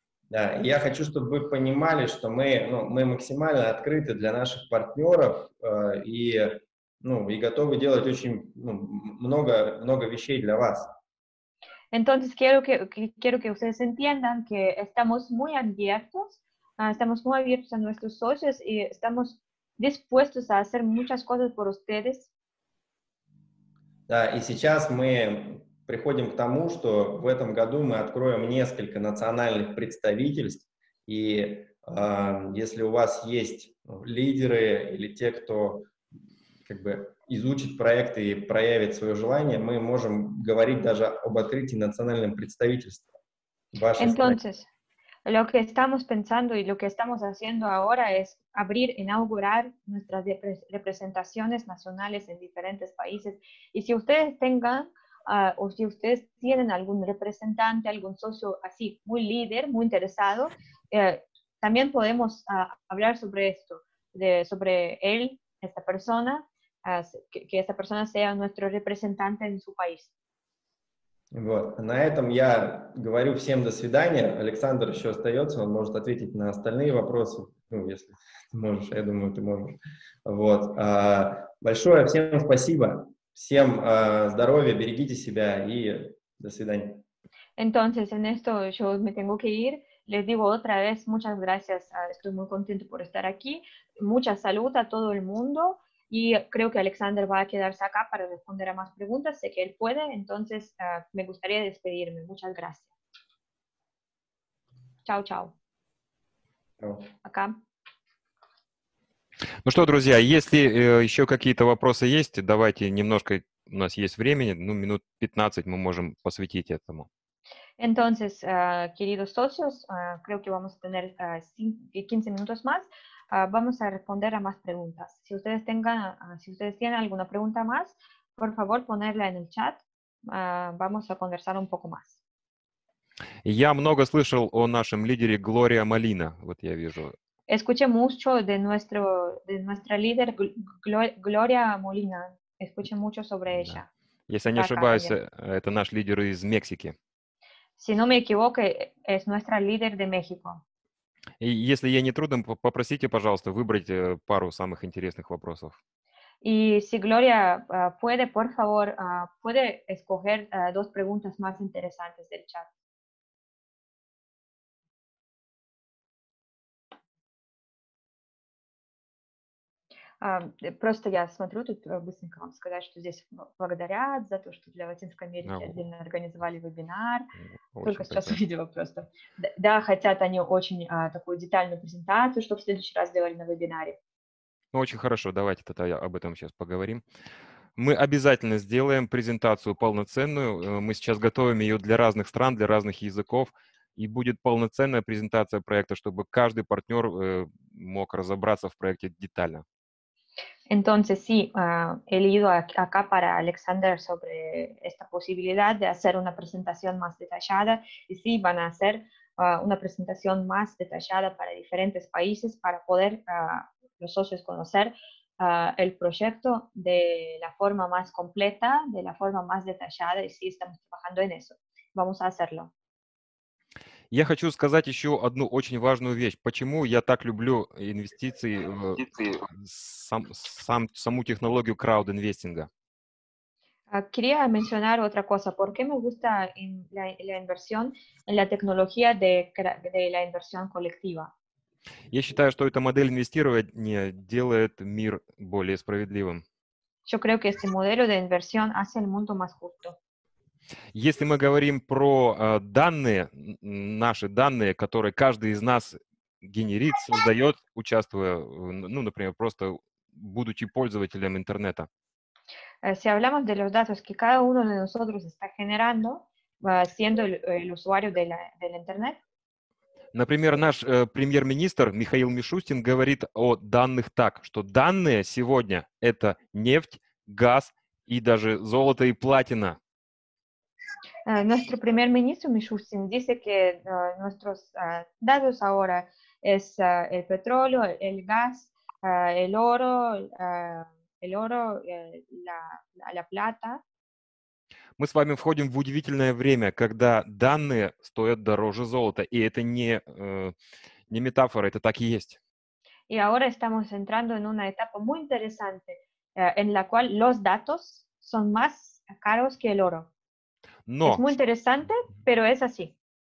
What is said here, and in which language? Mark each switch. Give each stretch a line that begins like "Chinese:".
Russian: Да, я хочу, чтобы вы понимали, что мы, ну, мы максимально открыты для наших партнеров и, ну, и готовы делать очень, ну, много вещей для вас.
Spanish: Entonces quiero que ustedes entiendan que estamos muy abiertos, estamos muy abiertos a nuestros socios y estamos dispuestos a hacer muchas cosas por ustedes.
Russian: Да, и сейчас мы приходим к тому, что в этом году мы откроем несколько национальных представительств, и если у вас есть лидеры или те, кто как бы изучит проект и проявит свое желание, мы можем говорить даже об открытии национального представительства.
Spanish: Entonces, lo que estamos pensando y lo que estamos haciendo ahora es abrir, inaugurar nuestras representaciones nacionales en diferentes países. Y si ustedes tengan, o si ustedes tienen algún representante, algún socio así, muy líder, muy interesado, también podemos hablar sobre esto, sobre él, esta persona, que esta persona sea nuestro representante en su país.
Russian: Вот. На этом я говорю всем до свидания. Александр еще остается, он может ответить на остальные вопросы, ну, если ты можешь, я думаю, ты можешь. Вот. Большое всем спасибо. Всем здоровья, берегите себя и до свидания.
Spanish: Entonces, en esto yo me tengo que ir. Les digo otra vez muchas gracias. Estoy muy contento por estar aquí. Mucha salud a todo el mundo. Y creo que Александр va a quedarse acá para responder a más preguntas. Sé que él puede, entonces me gustaría despedirme. Muchas gracias. Chao, chao. Acá.
Russian: Ну что, друзья, если еще какие-то вопросы есть, давайте немножко, у нас есть времени, ну, минут 15 мы можем посвятить этому.
Spanish: Entonces, queridos socios, creo que vamos a tener 15 minutos más. Vamos a responder a más preguntas. Si ustedes tengan, si ustedes tienen alguna pregunta más, por favor, ponerla en el chat. Vamos a conversar un poco más.
Russian: Я много слышал о нашем лидере Глория Малина. Вот я вижу.
Spanish: Escuché mucho de nuestro, de nuestra líder Gloria Molina. Escuché mucho sobre ella.
Russian: Да. Если не ошибаюсь, это наш лидер из Мексики.
Spanish: Si no me equivoco, es nuestra líder de México.
Russian: И если ей не трудно, попросите, пожалуйста, выбрать пару самых интересных вопросов.
Spanish: И si Gloria puede, por favor, puede escoger dos preguntas más interesantes del chat.
Russian: Просто я смотрю, тут быстренько вам сказать, что здесь благодарят за то, что для Латинской Америки отдельно организовали вебинар. Очень только сейчас увидела просто. Да, хотят они очень такую детальную презентацию, чтобы в следующий раз делали на вебинаре. Ну, очень хорошо, давайте тогда об этом сейчас поговорим. Мы обязательно сделаем презентацию полноценную. Мы сейчас готовим ее для разных стран, для разных языков. И будет полноценная презентация проекта, чтобы каждый партнер мог разобраться в проекте детально.
Spanish: Entonces, sí, he leído acá para Alexander sobre esta posibilidad de hacer una presentación más detallada. Y sí, van a hacer una presentación más detallada para diferentes países para poder los socios conocer el proyecto de la forma más completa, de la forma más detallada, y sí estamos trabajando en eso. Vamos a hacerlo.
Russian: Я хочу сказать еще одну очень важную вещь. Почему я так люблю инвестиции в саму технологию краудинвестинга?
Spanish: Quería mencionar otra cosa. ¿Por qué me gusta la inversión en la tecnología de la inversión colectiva?
Russian: Я считаю, что эта модель инвестирования делает мир более справедливым.
Spanish: Yo creo que este modelo de inversión hace el mundo más justo.
Russian: Если мы говорим про данные, наши данные, которые каждый из нас генерит, создает, участвуя, ну, например, просто будучи пользователем интернета.
Spanish: Si hablamos de los datos que cada uno de nosotros está generando, siendo el usuario del internet.
Russian: Например, наш премьер-министр Михаил Мишустин говорит о данных так, что данные сегодня — это нефть, газ и даже золото и платина.
Spanish: Nuestro primer ministro Mishustin dice que nuestros datos ahora es el petróleo, el gas, el oro, la plata.
Russian: Мы с вами входим в удивительное время, когда данные стоят дороже золота, и это не метафора, это так и есть.
Spanish: Y ahora estamos entrando en una etapa muy interesante, en la cual los datos son más caros que el oro.
Russian: Но,
Spanish: es muy interesante, pero es así.